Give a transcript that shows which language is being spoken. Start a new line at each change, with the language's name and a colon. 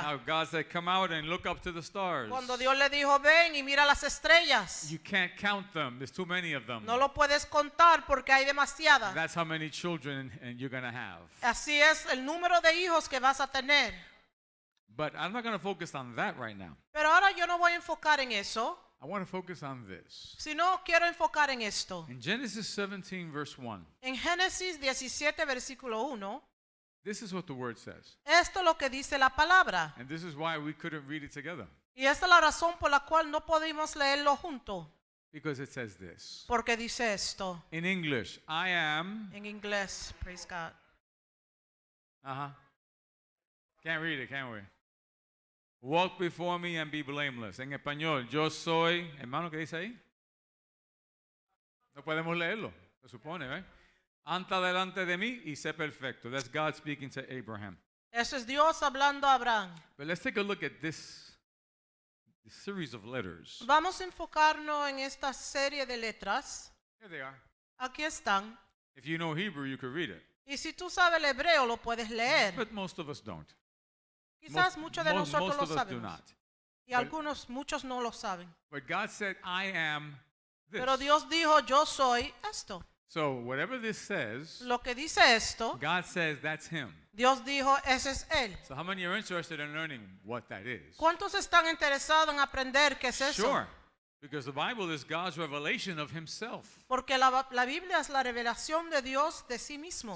English: How God said, come out and look up to the stars.
Spanish: Cuando Dios le dijo, ven y mira las estrellas.
English: You can't count them. There's too many of them.
Spanish: No lo puedes contar porque hay demasiadas.
English: That's how many children you're going to have.
Spanish: Así es el número de hijos que vas a tener.
English: But I'm not going to focus on that right now.
Spanish: Pero ahora yo no voy a enfocar en eso.
English: I want to focus on this.
Spanish: Si no, quiero enfocar en esto.
English: In Genesis 17, verse 1.
Spanish: En Génesis 17, versículo 1.
English: This is what the word says.
Spanish: Esto es lo que dice la palabra.
English: And this is why we couldn't read it together.
Spanish: Y esta es la razón por la cual no podemos leerlo junto.
English: Because it says this.
Spanish: Porque dice esto.
English: In English, I am.
Spanish: En inglés,
English: praise God. Uh-huh. Can't read it, can we? Walk before me and be blameless.
Spanish: En español, yo soy, hermano, ¿qué dice ahí? No podemos leerlo, se supone, ¿eh? Anda delante de mí y sé perfecto.
English: That's God speaking to Abraham.
Spanish: Eso es Dios hablando a Abraham.
English: But let's take a look at this series of letters.
Spanish: Vamos a enfocarnos en esta serie de letras.
English: Here they are.
Spanish: Aquí están.
English: If you know Hebrew, you could read it.
Spanish: Y si tú sabes el hebreo, lo puedes leer.
English: But most of us don't.
Spanish: Quizás muchos de nosotros lo saben. Y algunos, muchos no lo saben.
English: But God said, I am this.
Spanish: Pero Dios dijo, yo soy esto.
English: So whatever this says,
Spanish: lo que dice esto,
English: God says, that's him.
Spanish: Dios dijo, ese es él.
English: So how many are interested in learning what that is?
Spanish: ¿Cuántos están interesados en aprender qué es eso?
English: Sure, because the Bible is God's revelation of himself.
Spanish: Porque la Biblia es la revelación de Dios de sí mismo.